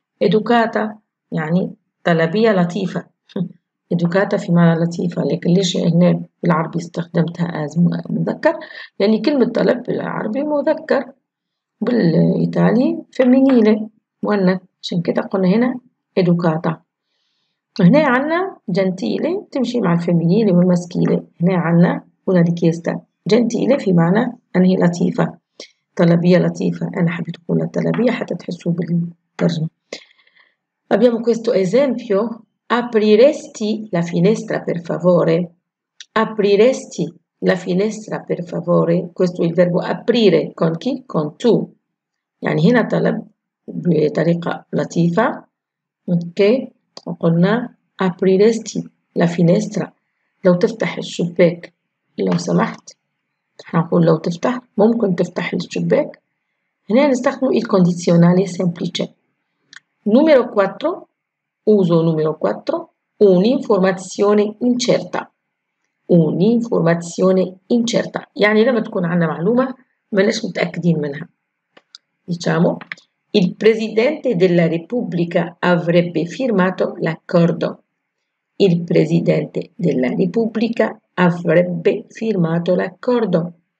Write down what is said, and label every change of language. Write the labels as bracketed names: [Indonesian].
[Arabic] ادوكاتا يعني طلبيه لطيفه. إدوكاتا في معنى لطيفة، لكن ليش هنا بالعربي استخدمتها أز مذكر؟ يعني كلمة طلب بالعربي مذكر، بالإيطالي فمينينة مؤنث، عشان كده قلنا هنا إدوكاتا. هنا عنا جنتيلة تمشي مع الفمينينة والمسكيلة. هنا عنا أونا ريكيستا جنتيلة في معنى أنهي لطيفة، طلبية لطيفة. أنا حبيت أقول طلبية حتى تحسوا بالترجمة. [Italian] Abbiamo questo esempio. Apriresti la finestra per favore? Apriresti la finestra per favore? Questo è il verbo aprire con chi? Con tu. [Arabic] يعني هنا طلب بطريقة لطيفة. Ok. وقلنا [Italian] apriresti la finestra. [Arabic] لو تفتح الشباك لو سمحت. نقول لو تفتح ممكن تفتح الشباك. هنا نستخدم [Italian] il condizionale semplice. Numero 4. Uso numero 4, un'informazione incerta. Un'informazione incerta. [Arabic] يعني لما تكون عندنا معلومة ماناش متأكدين منها. [Italian] Diciamo, il Presidente della Repubblica avrebbe firmato l'accordo. Il presidente della Repubblica avrebbe firmato l'accordo.